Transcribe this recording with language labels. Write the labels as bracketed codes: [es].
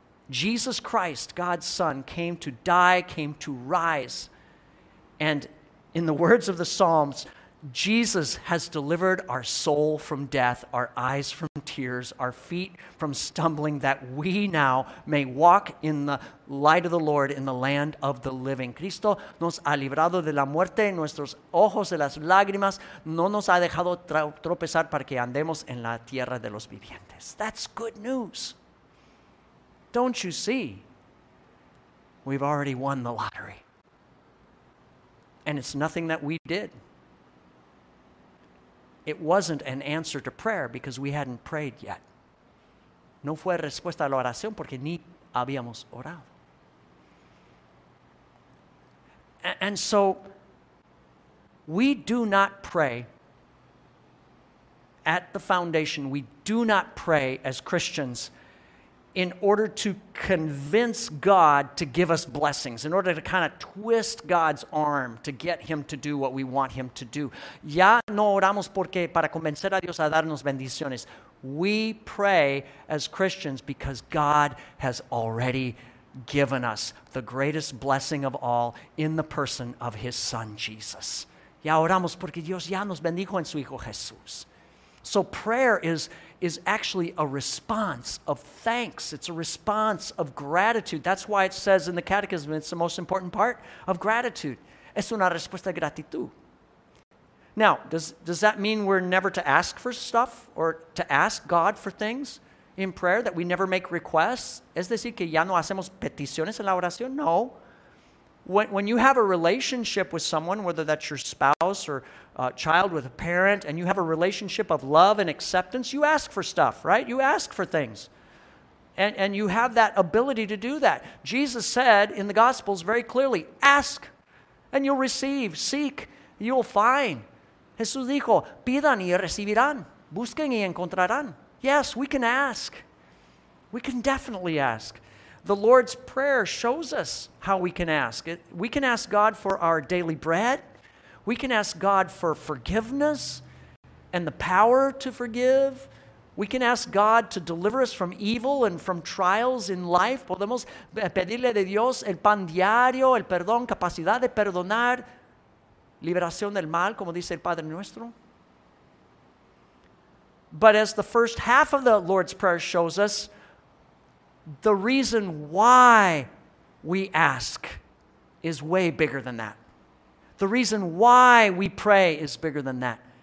[en] Jesus Christ, God's son, came to die, came to rise. And in the words of the Psalms, Jesus has delivered our soul from death, our eyes from tears, our feet from stumbling, that we now may walk in the light of the Lord in the land of the living. [es] Cristo nos ha librado de la muerte, nuestros ojos de las lágrimas, no nos ha dejado tropezar para que andemos en la tierra de los vivientes. [en] That's good news. Don't you see? We've already won the lottery. And it's nothing that we did. It wasn't an answer to prayer because we hadn't prayed yet. [es] No fue respuesta a la oración porque ni habíamos orado. [en] And so, we do not pray at the foundation. We do not pray as Christians in order to convince God to give us blessings, in order to kind of twist God's arm to get him to do what we want him to do. [es] Ya no oramos porque para convencer a Dios a darnos bendiciones. [en] We pray as Christians because God has already given us the greatest blessing of all in the person of his son, Jesus. [es] Ya oramos porque Dios ya nos bendijo en su hijo Jesús. [en] So prayer is actually a response of thanks. It's a response of gratitude. That's why it says in the catechism, it's the most important part of gratitude. [es] Es una respuesta de gratitud. [en] Now, does that mean we're never to ask for stuff or to ask God for things in prayer, that we never make requests? [es] Es decir, que ya no hacemos peticiones en la oración? [en] No. When you have a relationship with someone, whether that's your spouse or a child with a parent, and you have a relationship of love and acceptance, you ask for stuff, right? You ask for things. And you have that ability to do that. Jesus said in the Gospels very clearly, ask and you'll receive, seek, you'll find. [es] Jesús dijo, pidan y recibirán, busquen y encontrarán. [en] Yes, we can ask. We can definitely ask. The Lord's Prayer shows us how we can ask. We can ask God for our daily bread. We can ask God for forgiveness and the power to forgive. We can ask God to deliver us from evil and from trials in life. [es] Podemos pedirle de Dios el pan diario, el perdón, capacidad de perdonar, liberación del mal, como dice el Padre Nuestro. [en] But as the first half of the Lord's Prayer shows us, the reason why we ask is way bigger than that. The reason why we pray is bigger than that.